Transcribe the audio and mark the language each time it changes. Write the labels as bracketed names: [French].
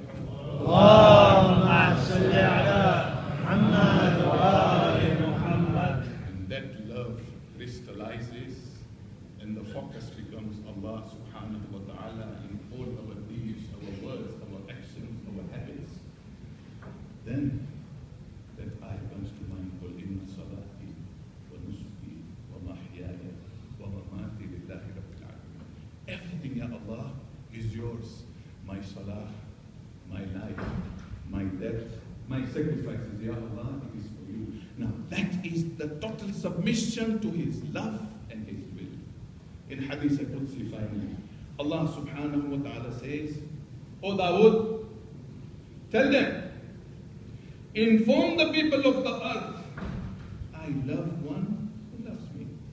[English] Muhammad. [Arabic] Allahumma salli ala Muhammad wa ali Muhammad. [English] That love crystallizes and the focus becomes Allah subhanahu wa ta'ala in all our deeds, our words, our actions, our habits. Then that ayah comes to mind, [Arabic] قُلْ إِنَّ صَلَاتِي وَنُسُكِي وَمَحْيَايَ وَمَمَاتِي لِلَّهِ رَبِّ الْعَالَمِينَ. [English] Everything, ya Allah, is yours. My salah, my life, my death, my sacrifices, ya Allah, it is for you. Now that is the total submission to His love and His will. In Hadith al-Qudsi finally, Allah subhanahu wa ta'ala says, O Dawood, tell them, inform the people of the earth, I love one who loves me.